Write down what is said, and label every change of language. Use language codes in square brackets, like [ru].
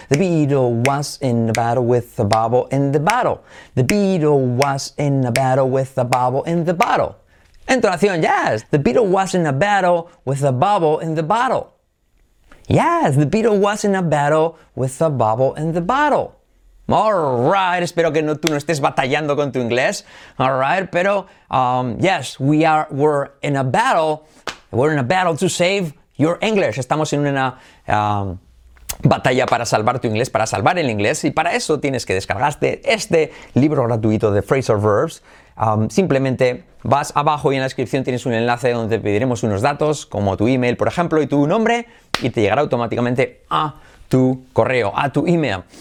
[en] The beetle was in a battle with a bubble in the bottle. The beetle was in a battle with a bubble in the bottle. Entonación, yes. The beetle was in a battle with a bubble in the bottle. Yes, the beetle was in a battle with a bubble in the bottle. [es] Alright, espero que tú no estés batallando con tu inglés. [en] Alright, pero yes, we're in a battle. We're in a battle to save your English. [es] Estamos en una batalla para salvar tu inglés, para salvar el inglés. Y para eso tienes que descargarte este libro gratuito de Phrasal Verbs. Simplemente vas abajo y en la descripción tienes un enlace donde te pediremos unos datos, como tu email, por ejemplo, y tu nombre, y te llegará automáticamente a tu correo, a tu email.